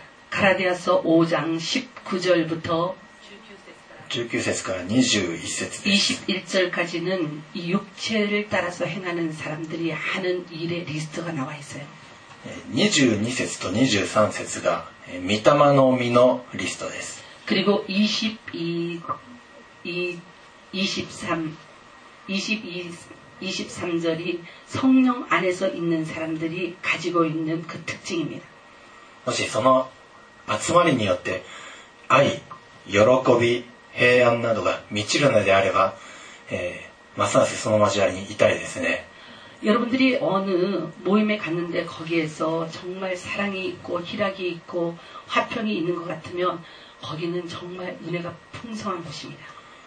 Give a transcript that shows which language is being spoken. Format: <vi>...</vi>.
<ko>ガラテヤ서5장19절부터</ko> <ja>19節から21節</ja> <ko>21절까지는이육체를따라서행하는사람들이하는일의리스트가나와있어요</ko> <ja>22節と23節が御霊の実のリストです。</ja> <ko>그리고22절이성령안에서있는사람들이가지고있는그특징입니다。</ko> <ja>もしその集まりによって愛、喜び、平安などが満ちるのであれば、ますますその交わりにいたいですね。</ja> <ko>여러분들이어느모임에갔는데거기에서정말사랑이있고희락이있고화평이있는것같으면거기는정말은혜가풍성한곳입니다。</ko>